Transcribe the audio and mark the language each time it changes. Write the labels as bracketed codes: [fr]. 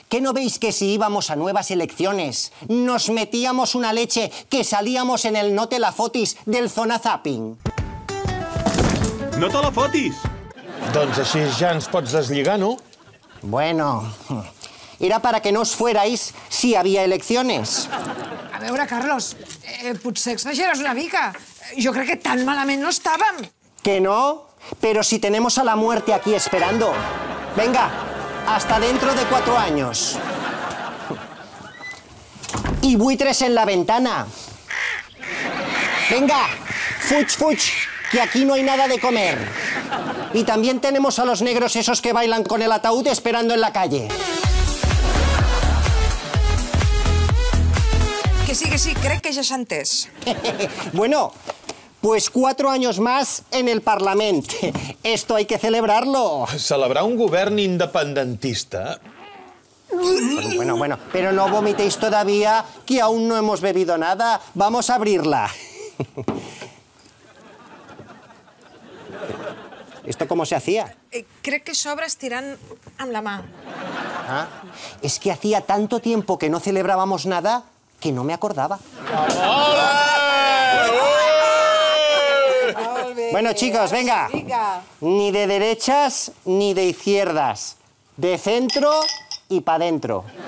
[es] ¿Que no veis que si íbamos a nuevas elecciones nos metíamos una leche que salíamos en el No te la fotis del Zona Zapping? [ca] ¡No te la fotis! Doncs així ja ens pots deslligar, no? [es] Bueno, era para que no os fuerais si había elecciones. [ca] A veure, Carlos, potser exageres una mica. Jo crec que tan malament no estàvem. Que no? [es] Pero si tenemos a la muerte aquí esperando. Venga, hasta dentro de 4 años. Y buitres en la ventana. Venga, [ca] fuig, fuig, [es] que aquí no hay nada de comer. Y también tenemos a los negros esos que bailan con el ataúd esperando en la calle. [ca] Que sí, crec que ja s'ha entès. [es] Bueno, pues 4 años más en el Parlament. Esto hay que celebrarlo. [ca] Celebrar un govern independentista. [es] Bueno, bueno, pero no vomitéis todavía, que aún no hemos bebido nada. Vamos a abrirla. ¿Esto cómo se hacía? [ca] Crec que s'obre estirant amb la mà. [es] Ah, es que hacía tanto tiempo que no celebrábamos nada que no me acordaba. ¡Ole! Bueno, chicos, venga. Venga. Ni de derechas ni de izquierdas. De centro y pa' dentro.